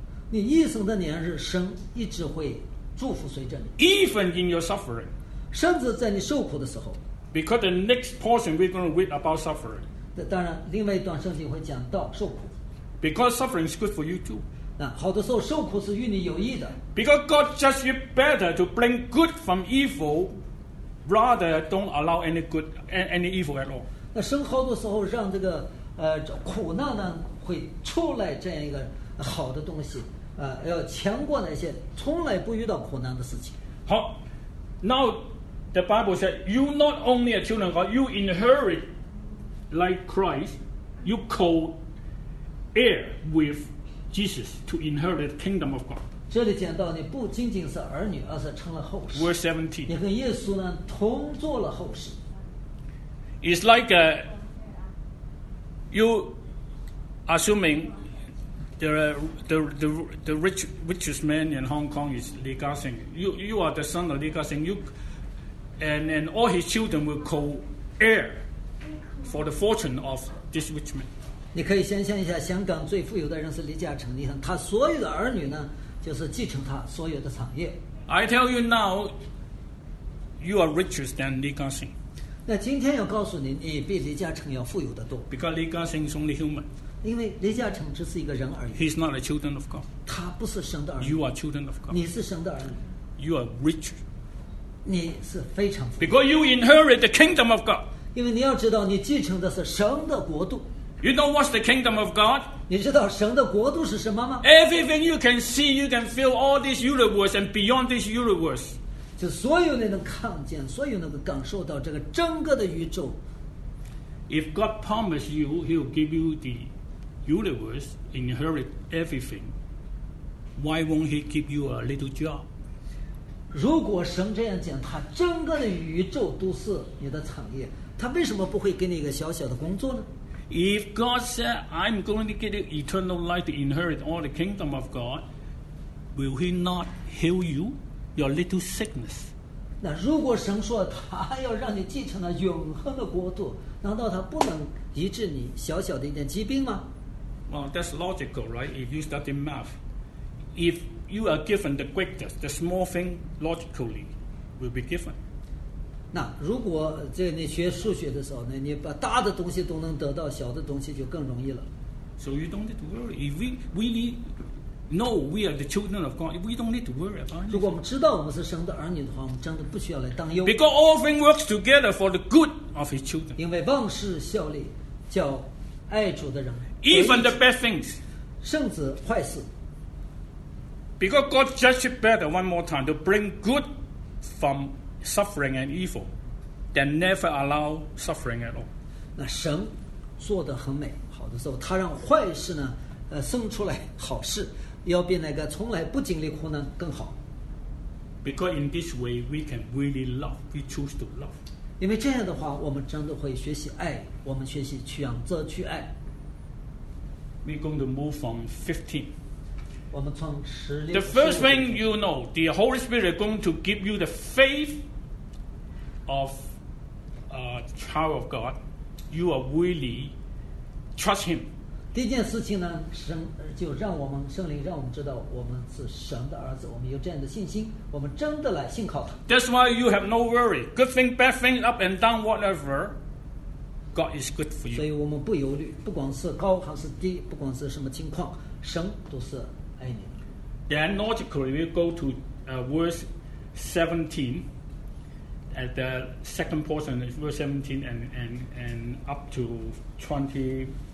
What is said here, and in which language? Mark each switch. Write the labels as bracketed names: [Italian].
[Chinese] 你一生的年日，神一直会祝福随着你。 [English] Even in your suffering. [Chinese] 甚至在你受苦的时候。 [English] Because the next portion we're going to read about suffering. [Chinese] 当然另外一段圣经会讲到受苦。 [English] Because suffering is good for you too. [Chinese] 那好的时候受苦是与你有益的。 [English] Because God judges you better to bring good from evil. Rather, don't allow any good, any evil at all. [Chinese] 那生好的时候，让这个苦难呢，会出来这样一个好的东西，要强过那些从来不遇到苦难的事情。 [English] 好 ，Now the Bible said, "You not only are children of God, you inherit like Christ, you co-heir with Jesus to inherit the kingdom of God." [Chinese] 这里讲到你不仅仅是儿女，而是成了后世。 [English] Verse 17. [Chinese] 你和耶稣呢同做了后世。 [English] It's like a, you assuming the richest man in Hong Kong is Li Ka Shing. You are the son of Li Ka Shing. And all his children will co-heir for the fortune of this rich man. [Chinese] 你可以想象一下，香港最富有的人是李嘉诚，你看他所有的儿女呢？就是继承他所有的产业。 [English] I tell you now, you are richer than Li Ka Shing. [Chinese] 那今天要告诉你，你比李嘉诚要富有的多。 [English] Because Li Ka Shing is only human. [Chinese] 因为李嘉诚只是一个人而已。 [English] He's not a children of God. [Chinese] 他不是神的儿女。 [English] You are children of God. [Chinese] 你是神的儿女。 [English] You are richer. [Chinese] 你是非常富有。 [English] Because you inherit the kingdom of God. [Chinese] 因为你要知道，你继承的是神的国度。 [English] You know what's the kingdom of God? [Chinese] 你知道神的国度是什么吗？ [English] Everything you can see, you can feel all this universe and beyond this universe. [Chinese] 就所有你能看见，所有能够感受到这个整个的宇宙。 [English] If God promised you, He'll give you the universe, inherit everything. Why won't He give you a little job? [Chinese] 如果神这样讲，他整个的宇宙都是你的产业，他为什么不会给你一个小小的工作呢？ [English] If God said, I'm going to get eternal life to inherit all the kingdom of God, will He not heal you, your little sickness? [Chinese] 那如果神说他要让你继承了永恒的国度，难道他不能医治你小小的一点疾病吗？ [English] Well, that's logical, right? If you study math, if you are given the greatest, the small thing logically will be given. [Chinese] 那如果在你学数学的时候呢，你把大的东西都能得到，小的东西就更容易了。 [English] So you don't need to worry. If we really know we are the children of God, we don't need to worry about it. [Chinese] 如果我们知道我们是神的儿女的话，我们真的不需要来担忧。 [English] Because all things work together for the good of His children. [Chinese] 因为万事效力，叫爱主的人。 [English] Even the bad things. [Chinese] 甚至坏事。 [English] Because God judges better one more time to bring good from. Suffering and evil, they never allow suffering at all. [Chinese] 那神做得很美，好的时候，他让坏事呢，生出来好事，要比那个从来不经历苦难更好。 [English] Because in this way, we can really love. We choose to love. [Chinese] 因为这样的话，我们真的会学习爱，我们学习选择去爱。 [English] We're going to move from 15. [Chinese] 我们从十六。 [English] The first thing you know, the Holy Spirit is going to give you the faith of a child of God. You are really trust Him. [Chinese] 第一件事情呢，神就让我们圣灵让我们知道我们是神的儿子，我们有这样的信心，我们真的来信靠他。 [English] That's why you have no worry. Good thing, bad thing, up and down, whatever. God is good for you. [Chinese] 所以我们不忧虑，不管是高还是低，不管是什么情况，神都是爱你。 [English] Then logically we go to verse 17, at the second portion is verse 17 and up to 29.